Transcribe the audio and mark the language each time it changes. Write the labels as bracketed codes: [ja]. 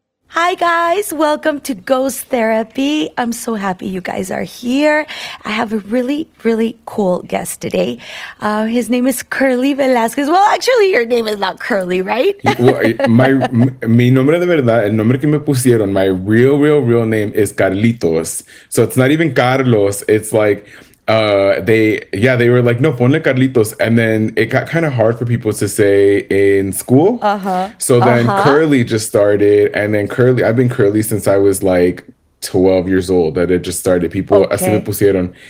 [en] Hi guys, welcome to Ghost Therapy. I'm so happy you guys are here. I have a really, really cool guest today. His name is Curly Velasquez. Well, actually, your name is not Curly, right? [es] mi nombre de verdad, el nombre que me pusieron, [en] my real, real, real name is Carlitos. So it's not even Carlos. It's like, they were like, [es] no, ponle Carlitos. [en] And then it got kind of hard for people to say in school. Curly just started. And then I've been Curly since I was like 12 years old, that it just started. People, okay. [es] Así me pusieron.